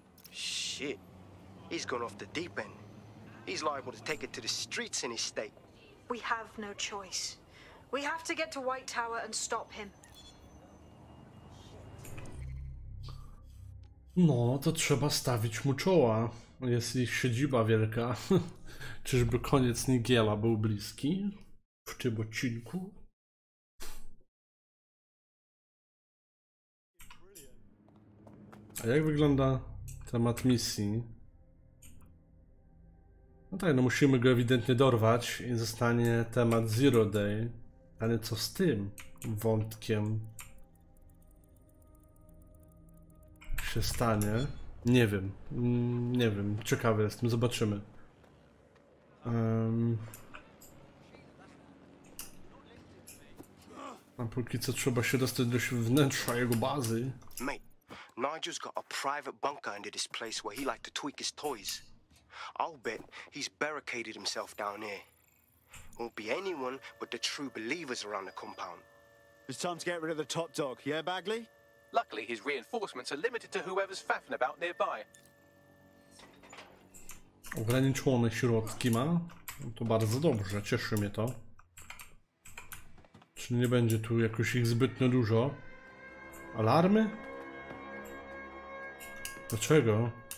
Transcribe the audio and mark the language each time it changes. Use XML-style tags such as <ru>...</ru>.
<en>Shit. He's gone off the deep end. He's liable to take it to the streets in his state. We have no choice. We have to get to White Tower and stop him.</en> <pl>No, to trzeba stawić mu czoła. Jest ich siedziba wielka. Czyżby koniec Nigela był bliski w tym odcinku? A jak wygląda temat misji? No tak, no musimy go ewidentnie dorwać i zostanie temat Zero Day. Ale co z tym wątkiem się stanie? Nie wiem, nie wiem. Ciekawy jestem, zobaczymy. A póki co trzeba się dostać do wnętrza jego bazy.</pl> <en>Nigel's got a private bunker under this place where he liked to tweak his toys. I'll bet he's barricaded himself down here. Won't be anyone but the true believers around the compound. It's time to get rid of the top dog, yeah, Bagley? Luckily, his reinforcements are limited to whoever's faffing about nearby.</en> <pl>Ograniczone środki ma. To bardzo dobrze, cieszy mnie to. Czy nie będzie tu jakoś ich zbytnio dużo? Alarmy? Dlaczego?</pl>